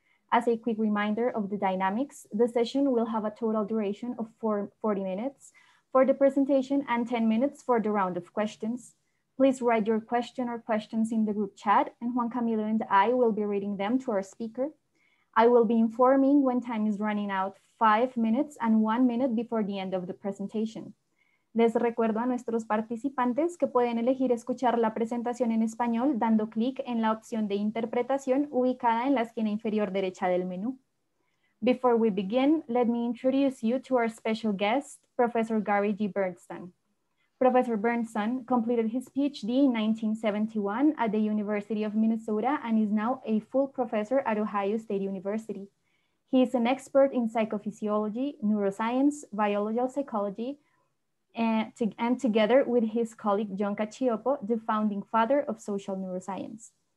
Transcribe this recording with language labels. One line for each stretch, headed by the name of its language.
English: As a quick reminder of the dynamics, the session will have a total duration of 40 minutes for the presentation and 10 minutes for the round of questions. Please write your question or questions in the group chat, and Juan Camilo and I will be reading them to our speaker. I will be informing when time is running out, 5 minutes and 1 minute before the end of the presentation.
Spanish: Les recuerdo a nuestros participantes que pueden elegir escuchar la presentación en español dando clic en la opción de interpretación ubicada en la esquina inferior derecha del menú.
English: Before we begin, let me introduce you to our special guest, Professor Gary G. Berntson. Professor Berntson completed his PhD in 1971 at the University of Minnesota and is now a full professor at Ohio State University. He is an expert in psychophysiology, neuroscience, biological psychology, and together with his colleague John Cacioppo, the founding father of social neuroscience.